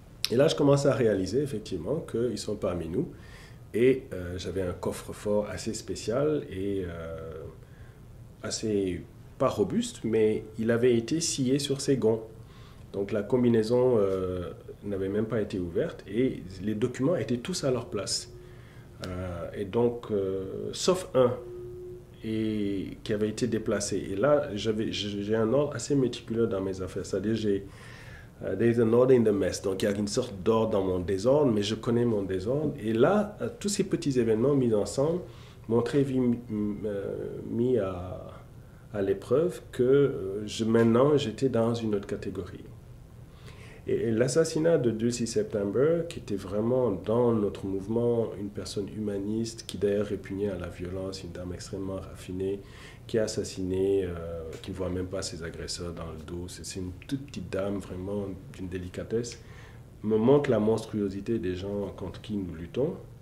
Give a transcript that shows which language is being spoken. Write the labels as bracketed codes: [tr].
[fr] Et là, je commence à réaliser effectivement qu'ils sont parmi nous. Et j'avais un coffre-fort assez spécial et assez, pas robuste, mais il avait été scié sur ses gonds. Donc la combinaison n'avait même pas été ouverte et les documents étaient tous à leur place. Et donc, sauf un et qui avait été déplacé. Et là, j'ai un ordre assez méticuleux dans mes affaires. C'est-à-dire, [en] there's an order in the mess. [fr] Donc, il y a une sorte d'ordre dans mon désordre, mais je connais mon désordre. Et là, tous ces petits événements mis ensemble m'ont très vite mis à l'épreuve que maintenant, j'étais dans une autre catégorie. Et l'assassinat de Dulcie September, qui était vraiment dans notre mouvement, une personne humaniste, qui d'ailleurs répugnait à la violence, une dame extrêmement raffinée, qui a assassiné, qui ne voit même pas ses agresseurs dans le dos, c'est une toute petite dame vraiment d'une délicatesse, me montre la monstruosité des gens contre qui nous luttons.